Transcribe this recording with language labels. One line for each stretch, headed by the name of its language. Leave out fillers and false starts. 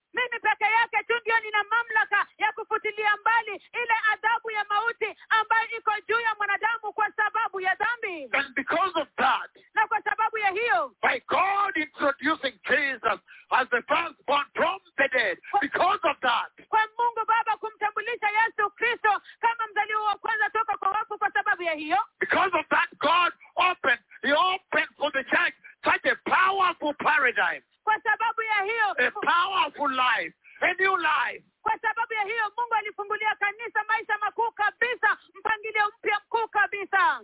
Swahili: Mimi peke yake tu ndio nina mamlaka ya kufutilia mbali ile adhabu ya mauti ambayo iko juu ya mwanadamu kwa sababu ya dhambi.
English: And because of that,
Swahili: na kwa sababu ya hiyo,
English: by God introducing Jesus as the firstborn from the dead, because of that,
Swahili: kwa Mungu Baba kumtambulisha Yesu Kristo kama mzaliwa wa kwanza toka kwa wafu kwa sababu ya hiyo,
English: because of that, God opened, he opened for the church such a powerful paradigm.
Swahili: Kwa sababu ya hiyo,
English: a powerful life, a new life.
Swahili: Kwa sababu ya hiyo, Mungu alifungulia kanisa maisha makuu kabisa, mpangilio mpya mkuu kabisa.